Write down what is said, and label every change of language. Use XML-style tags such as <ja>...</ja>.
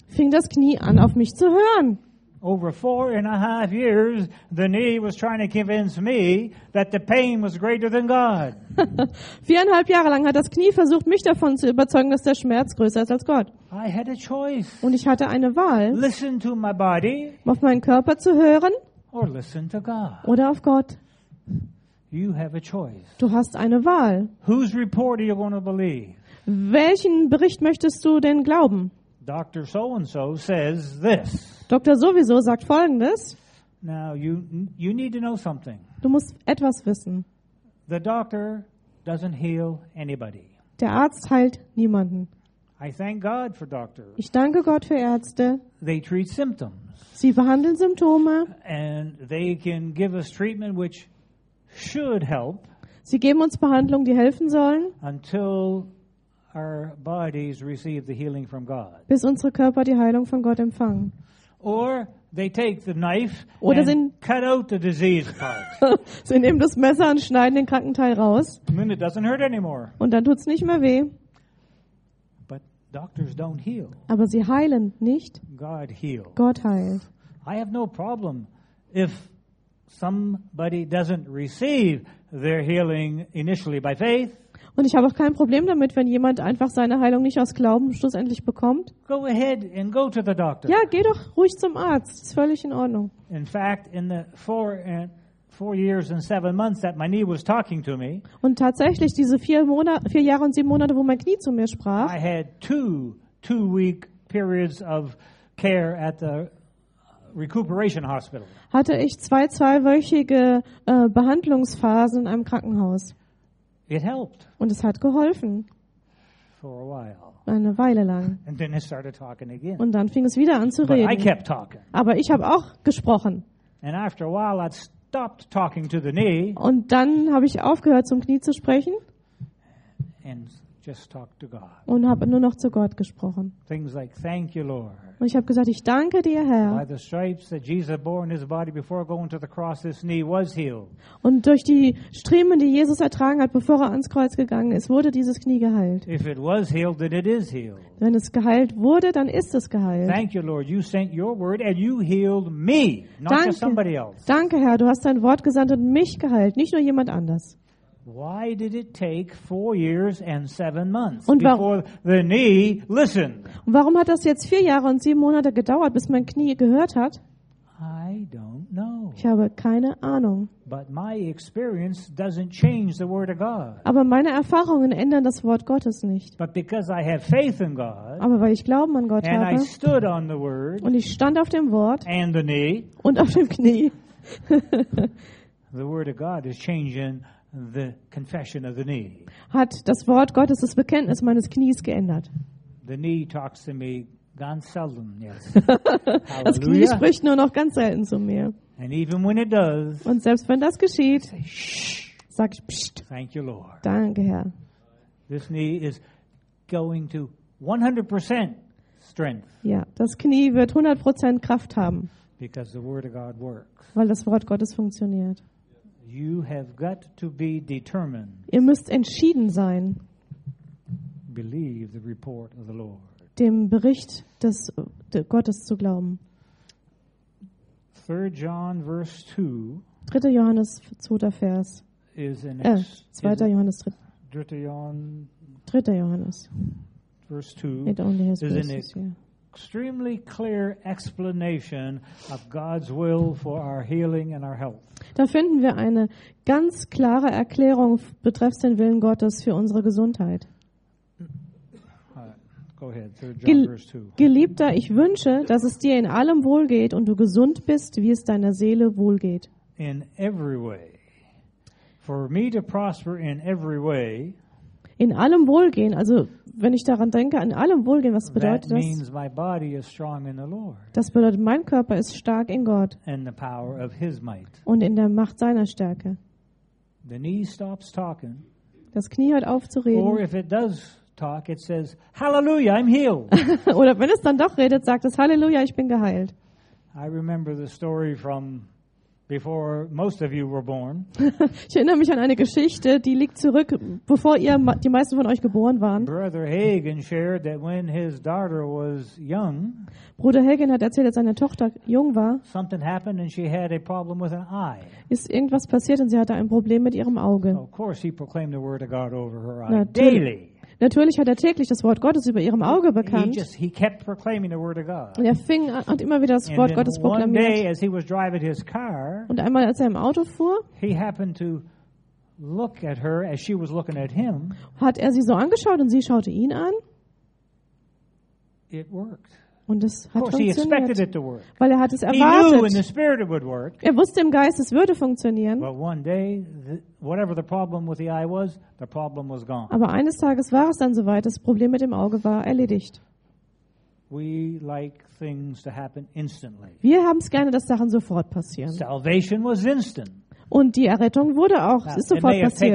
<de>Fing das Knie an, auf mich zu hören.</de> <en>Over 4.5 years, the knee was trying to convince me that the pain was greater than God.</en> <de>4.5 Jahre lang hat das Knie versucht, mich davon zu überzeugen, dass der Schmerz größer ist als Gott.</de> <en>I had a choice.</en> <de>Und ich hatte eine Wahl.</de> <en>Listen to my body.</en> <de>Auf meinen Körper zu hören.</de> <en>Or listen to God.</en> <de>Oder auf Gott.</de> <en>You have a choice.</en> <de>Du hast eine Wahl.</de> <en>Whose report are you going to believe?</en> <de>Welchen Bericht möchtest du denn glauben?</de> <en>Dr. So-and-so says this.</en> <de>Dr. Sowieso sagt Folgendes.</de> <en>Now you need to know something.</en> <de>Du musst etwas wissen.</de> <en>The doctor doesn't heal anybody.</en> <de>Der Arzt heilt niemanden.</de> <en>I thank God for doctors.</en> <de>Ich danke Gott für Ärzte.</de> <en>They treat symptoms.</en> <de>Sie behandeln Symptome.</de> <en>And they can give us treatment which should help.</en> <de>Sie geben uns Behandlungen, die helfen sollen.</de> <en>Until our bodies receive the healing from God.</en> <de>Bis unsere Körper die Heilung von Gott empfangen.</de> <en>Or they take the knife</en> <de>oder</de> <en>and cut out the disease part.</en> <de>Sie nehmen das Messer und schneiden den kranken Teil raus.</de> <en>And then it doesn't hurt anymore.</en> <de>Und dann tut's nicht mehr weh.</de> <en>But doctors don't heal.</en> <de>Aber sie heilen nicht.</de> <en>God heals.</en> <de>Gott heilt.</de> <en>I have no problem if somebody doesn't receive their healing initially by faith.</en> <de>Und ich habe auch kein Problem damit, wenn jemand einfach seine Heilung nicht aus Glauben schlussendlich bekommt.</de> <en>Go ahead and go to the doctor.</en> <de>Ja, geh doch ruhig zum Arzt. Ist völlig in Ordnung.</de> <en>In fact, in the four years and 7 months that my knee was talking to me.</en> <de>Und tatsächlich diese 4 Jahre und 7 Monate, wo mein Knie zu mir sprach.</de> <en>I had two-week periods of care at the recuperation hospital.</en> <de>Hatte ich 2 zweiwöchige Behandlungsphasen in einem Krankenhaus.</de> <en>It helped.</en> <de>Und es hat geholfen.</de> <en>For a while.</en> <de>Eine Weile lang.</de> <en>And then it started talking again.</en> <de>Und dann fing es wieder an zu reden.</de> <en>But I kept talking.</en> <de>Aber ich habe auch gesprochen.</de> <en>And after a while I stopped talking to the knee.</en> <de>Und dann habe ich aufgehört, zum Knie zu sprechen.</de> <en>And just talked to God.</en> <de>Und habe nur noch zu Gott gesprochen.</de> <en>Things like, thank you, Lord.</en> <de>Und ich habe gesagt, ich danke dir, Herr.</de> <en>By the stripes that Jesus bore in his body before going to the cross, this knee was healed.</en> <de>Und durch die Striemen, die Jesus ertragen hat, bevor er ans Kreuz gegangen ist, wurde dieses Knie geheilt.</de> <en>If it was healed, then it is healed.</en> <de>Wenn es geheilt wurde, dann ist es geheilt.</de> <en>Thank you, Lord. You sent your word and you healed me, not just somebody else.</en> <de>Danke, Herr. Du hast dein Wort gesandt und mich geheilt, nicht nur jemand anders.</de> <en>Why did it take 4 years and 7 months before the knee listened?</en> <de>Und warum hat das jetzt 4 Jahre und 7 Monate gedauert, bis mein Knie gehört hat?</de> <en>I don't know.</en> <de>Ich habe keine Ahnung.</de> <en>But my experience doesn't change the word of God.</en> <de>Aber meine Erfahrungen ändern das Wort Gottes nicht.</de> <en>But because I have faith in God.</en> <de>Aber weil ich Glauben an Gott</de> <en>and</en> <de>habe.</de> <en>And I stood on the word.</en> <de>Und ich stand auf dem Wort.</de> <en>And the knee.</en> <de>Und auf dem Knie.</de> <en>The word of God is changing. The confession of the knee.</en> <de>Hat das Wort Gottes das Bekenntnis meines Knies geändert.</de> <en>The knee talks to me</en> <de>ganz selten,</de> <en>yes.</en> <de>Das Knie spricht nur noch ganz selten zu mir.</de> <en>And even when it does,</en> <de>und selbst wenn das geschieht, sag ich, pssst.</de> <en>Thank you, Lord.</en> <de>Danke, Herr.</de> <en>This knee is going to 100% strength.</en> <de>Ja, das Knie wird 100% Kraft haben.</de> <en>Because the word of God works.</en> <de>Weil das Wort Gottes funktioniert.</de> <en>You have got to be determined.</en> <de>Ihr müsst entschieden sein.</de> <en>Believe the report of the Lord.</en> <de>Dem Bericht des Gottes zu glauben.</de> <en>3 John verse 2.</en> <de>3. Johannes 2. Vers.</de> <en>Is an</en> <de>2. Johannes 3. 3. Johannes.</de> <en>Verse 2. Is an extremely clear explanation of God's will for our healing and our health.</en> <de>Da finden wir eine ganz klare Erklärung betreffs den Willen Gottes für unsere Gesundheit.</de> <en>Go ahead, 3 John verse 2.</en> <de>Geliebter, ich wünsche, dass es dir in allem wohlgeht und du gesund bist, wie es deiner Seele wohlgeht.</de> <en>In every way. For me to prosper in every way.</en> <de>In allem Wohlgehen, also wenn ich daran denke, an allem Wohlgehen, was bedeutet</de> <en>that means my body is strong in the Lord.</en> <de>Das bedeutet, mein Körper ist stark in Gott</de> <en>and the power of his might.</en> <de>Und in der Macht seiner Stärke.</de> <en>The knee stops talking.</en> <de>Das Knie hört auf zu reden.</de> <en>Or if it does talk, it says, Hallelujah, I'm healed.</en> <de>Oder wenn es dann doch redet, sagt es, Halleluja, ich bin geheilt.</de> <en>I remember the story from before most of you were born.</en> <de>Ich erinnere mich an eine Geschichte, die liegt zurück, bevor ihr die meisten von euch geboren waren.</de> <en>Brother Hagen shared that when his daughter was young,</en> <de>Bruder Hagen hat erzählt, dass seine Tochter jung war.</de> <en>Something happened and she had a problem with an eye.</en> <de>Ist irgendwas passiert und sie hatte ein Problem mit ihrem Auge.</de> <en>Of course he proclaimed the word of God over her eye daily.</en> <de>Natürlich hat er täglich das Wort Gottes über ihrem Auge bekannt.</de> <en>He kept proclaiming the word of God.</en> <de>Und er fing an, hat immer wieder das Wort</de> <en>and</en> <de>Gottes proklamiert.</de> <en>One day, as he was driving his car,</en> <de>und einmal, als er im Auto fuhr,</de> <en>he happened to look at her as she was looking at him.</en> <de>Hat er sie so angeschaut und sie schaute ihn an.</de> <en>It worked.</en> <de>Und es hat funktioniert. Weil er hat es erwartet.</de> <en>He knew in the spirit it would work.</en> <de>Er wusste im Geist, es würde funktionieren.</de> <en>But one day, whatever the problem with the eye was, the problem was gone.</en> <de>Aber eines Tages war es dann soweit, das Problem mit dem Auge war erledigt.</de> <en>We like things to happen instantly.</en> <de>Wir haben es gerne, dass Sachen sofort passieren.</de> <en>Salvation was instant.</en> <de>Und die Errettung wurde auch, es ist sofort passiert.</de>